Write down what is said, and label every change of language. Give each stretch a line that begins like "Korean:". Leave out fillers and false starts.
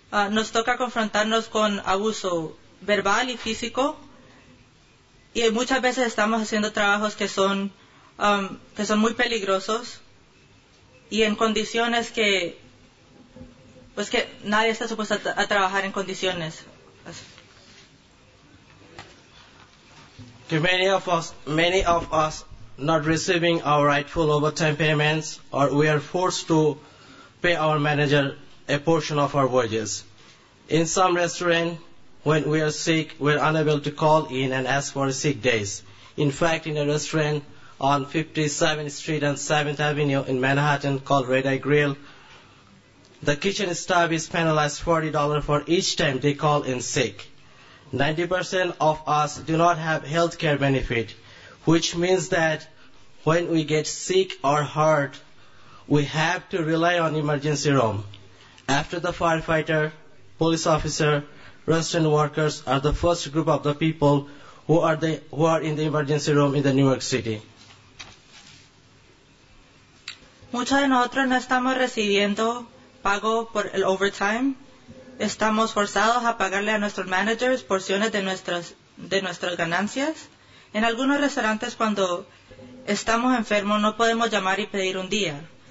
Spanish: Nos toca confrontarnos con abuso verbal y físico, y muchas veces estamos haciendo trabajos que son muy peligrosos y en condiciones que nadie está supuesto a trabajar en condiciones.
English: To many of us not receiving our rightful overtime payments, or we are forced to pay our manager a portion of our wages. In some restaurants, when we are sick, we are unable to call in and ask for sick days. In fact, in a restaurant, on 57th Street and 7th Avenue in Manhattan called Red Eye Grill. The kitchen staff is penalized $40 for each time they call in sick. 90% of us do not have health care benefit, which means that when we get sick or hurt, we have to rely on emergency room. After the firefighter, police officer, restaurant workers are the first group of the people who are in the emergency room in the New York City.
Spanish: Muchos de nosotros no estamos recibiendo pago por el overtime. Estamos forzados a pagarle a nuestros managers porciones de nuestras ganancias. En algunos restaurantes, cuando estamos enfermos, no podemos llamar y pedir un día.